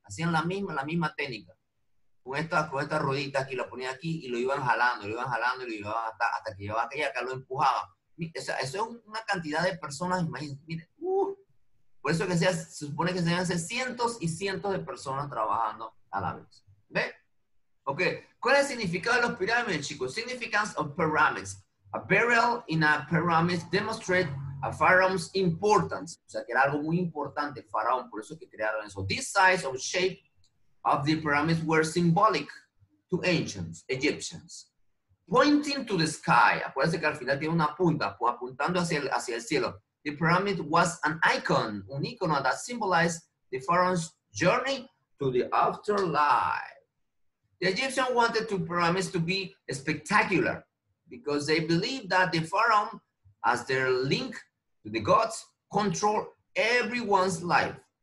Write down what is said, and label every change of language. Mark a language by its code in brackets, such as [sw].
[es] Hacían la misma técnica, con esta ruedita aquí, la ponían aquí, y lo iban jalando, y lo llevaban hasta que llegaba aquí, y acá lo empujaban, o sea, eso es una cantidad de personas, imagínense, mire, por eso que se supone que se deben hacer cientos y cientos de personas trabajando a la vez, ¿ve? Ok, ¿cuál es el significado de los pirámides, chicos? [en] Significance of pyramids. A burial in a pyramid demonstrates a pharaoh's importance. [es] O sea, que era algo muy importante, faraón, por eso que crearon eso. [en] This size or shape of the pyramids were symbolic to ancient Egyptians. Pointing to the sky. [es] Acuérdense que al final tiene una punta, apuntando hacia el cielo. [en] The pyramid was an icon, un icono that symbolized the pharaoh's journey to the afterlife. The Egyptians wanted the pyramids to be spectacular because they believed that the pharaoh, as their link to the gods, control everyone's life.